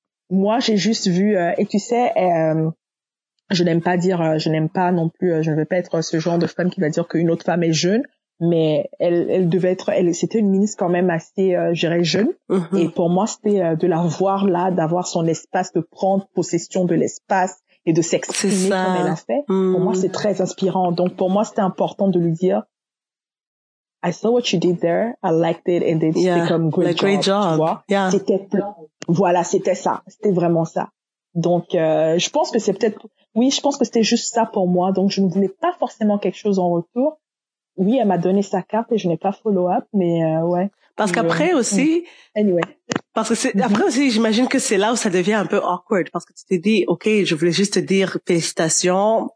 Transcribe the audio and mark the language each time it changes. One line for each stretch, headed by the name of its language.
French: moi j'ai juste vu et tu sais je n'aime pas dire, je n'aime pas non plus, je ne veux pas être ce genre de femme qui va dire qu'une autre femme est jeune, mais elle devait être, elle, c'était une ministre quand même assez, je dirais, jeune. Mm-hmm. Et pour moi, c'était de la voir là, d'avoir son espace, de prendre possession de l'espace et de s'exprimer comme elle a fait. Mm-hmm. Pour moi, c'est très inspirant. Donc, pour moi, c'était important de lui dire,
English: I saw what you did there, I liked it, and it's become a great job.
French: Tu vois?
English: Yeah.
French: Voilà, c'était ça. C'était vraiment ça. Donc, je pense que c'est peut-être, oui, je pense que c'était juste ça pour moi. Donc, je ne voulais pas forcément quelque chose en retour. Oui, elle m'a donné sa carte et je n'ai pas follow-up, mais ouais. Parce qu'après aussi...
English: Anyway.
French: Parce que c'est, après aussi, j'imagine que c'est là où ça devient un peu awkward. Parce que tu t'es dit, OK, je voulais juste te dire félicitations.